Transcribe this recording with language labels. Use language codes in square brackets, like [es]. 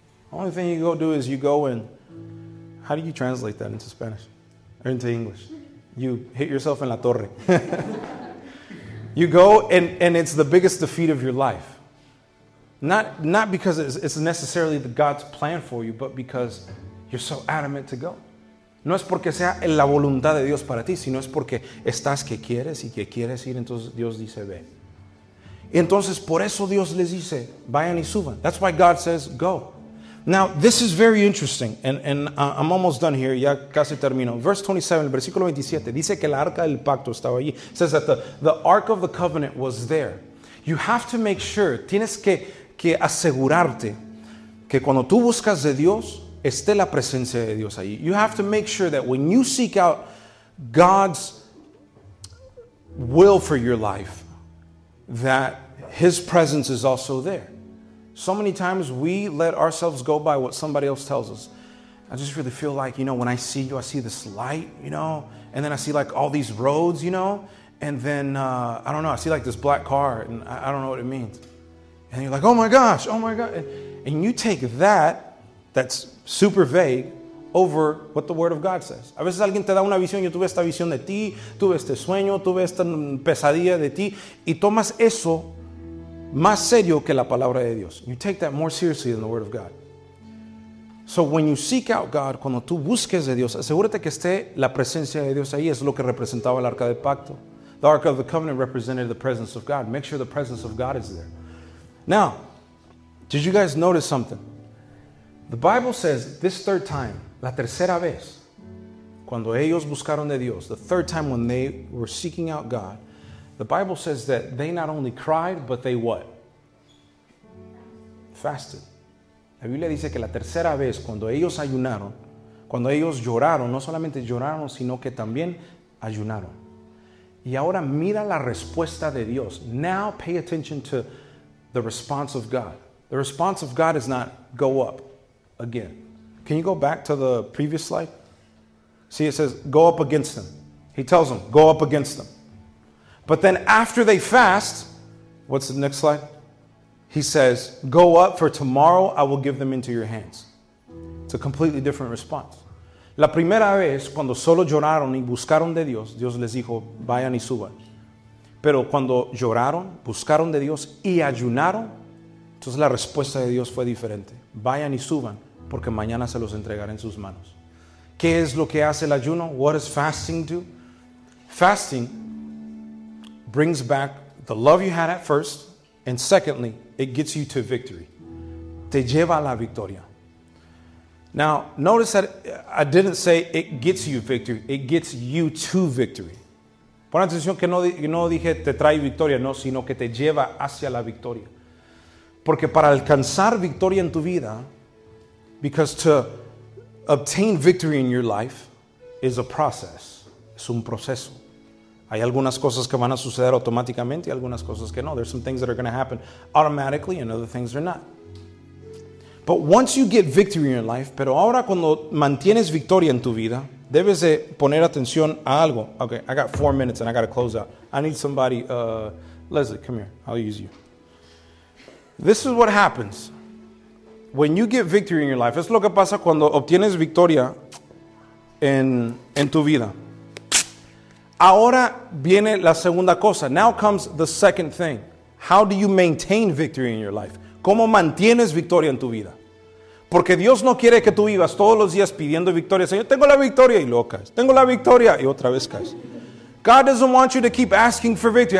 [en] The only thing you go do is you go and, how do you translate that into Spanish? Or into English? You hit yourself [es] en la torre. [en] You go and it's the biggest defeat of your life. Not because it's necessarily the God's plan for you, but because you're so adamant to go. [es] No es porque sea la voluntad de Dios para ti, sino es porque estás que quieres y que quieres ir, entonces Dios dice, ve. Y entonces, por eso Dios les dice, vayan y suban. [en] That's why God says, go. Now, this is very interesting, and I'm almost done here. [es] Ya casi termino. Verse 27, el versículo 27, dice que la arca del pacto estaba allí. [en] It says that the ark of the covenant was there. You have to make sure, [es] tienes que asegurarte que cuando tú buscas de Dios, esté la presencia de Dios allí. [en] You have to make sure that when you seek out God's will for your life, that His presence is also there. So many times we let ourselves go by what somebody else tells us. I just really feel like, you know, when I see you, I see this light, you know, and then I see like all these roads, you know, and then I don't know, I see like this black car and I don't know what it means. And you're like, oh my gosh, oh my God. And you take that, that's super vague, over what the Word of God says. [es] A veces alguien te da una visión, yo tuve esta visión de ti, tuve este sueño, tuve esta pesadilla de ti, y tomas eso más serio que la palabra de Dios. [en] You take that more seriously than the Word of God. So when you seek out God, [es] cuando tú busques de Dios, asegúrate que esté la presencia de Dios ahí. Es lo que representaba el Arca del Pacto. [en] The Ark of the Covenant represented the presence of God. Make sure the presence of God is there. Now, did you guys notice something? The Bible says this third time, [es] la tercera vez, cuando ellos buscaron de Dios, [en] the third time when they were seeking out God, the Bible says that they not only cried, but they what? Fasted. [es] La Biblia dice que la tercera vez, cuando ellos ayunaron, cuando ellos lloraron, no solamente lloraron, sino que también ayunaron. Y ahora mira la respuesta de Dios. [en] Now pay attention to the response of God. The response of God is not go up again. Can you go back to the previous slide? See, it says go up against them. He tells them, go up against them. But then after they fast, what's the next slide? He says, go up, for tomorrow I will give them into your hands. It's a completely different response. [es] La primera vez, cuando solo lloraron y buscaron de Dios, Dios les dijo, vayan y suban. Pero cuando lloraron, buscaron de Dios y ayunaron, entonces la respuesta de Dios fue diferente. Vayan y suban, porque mañana se los entregaré en sus manos. ¿Qué es lo que hace el ayuno? [en] What does fasting do? Fasting brings back the love you had at first, and secondly, it gets you to victory. [es] Te lleva a la victoria. [en] Now, notice that I didn't say it gets you victory. It gets you to victory. [es] Pon atención que no dije te trae victoria, no, sino que te lleva hacia la victoria. Porque para alcanzar victoria en tu vida, [en] because to obtain victory in your life is a process. [es] Es un proceso. Hay algunas cosas que van a suceder automáticamente y algunas cosas que no. [en] There's some things that are going to happen automatically and other things are not. But once you get victory in your life, [es] pero ahora cuando mantienes victoria en tu vida, debes de poner atención a algo. [en] Okay, I got 4 minutes and I got to close out. I need somebody. Leslie, come here. I'll use you. This is what happens. When you get victory in your life, [es] es lo que pasa cuando obtienes victoria en tu vida. Ahora viene la segunda cosa. [en] Now comes the second thing. How do you maintain victory in your life? [es] ¿Cómo mantienes victoria en tu vida? Porque Dios no quiere que tú vivas todos los días pidiendo victoria. Señor, tengo la victoria. Y luego caes. Tengo la victoria. Y otra vez caes. [en] God doesn't want you to keep asking for victory.